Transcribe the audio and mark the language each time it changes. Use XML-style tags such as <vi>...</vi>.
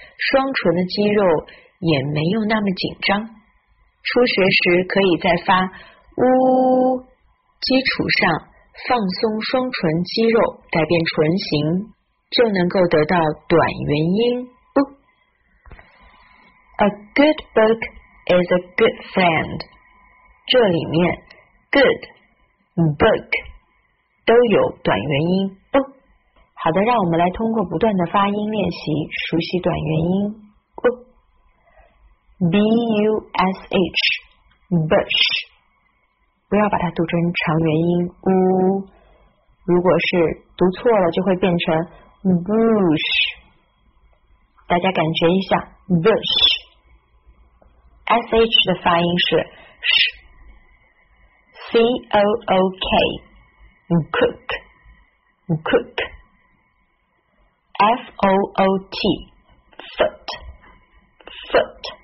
<zh>双唇的肌肉也没有那么紧张，初学时可以在发呜基础上放松双唇肌肉，改变唇形，就能够得到短元音呜。</zh> <en>A good book is a good friend.</en> <zh>这里面 good book 都有短元音呜。好的，让我们来通过不断的发音练习熟悉短元音。 B-U-S-H Bush， 不要把它读成长元音呜，如果是读错了就会变成 Bush。大家感觉一下 Bush， S-H 的发音是 sh， C-O-O-K Cook Cook，F-O-O-T Foot Foot</zh>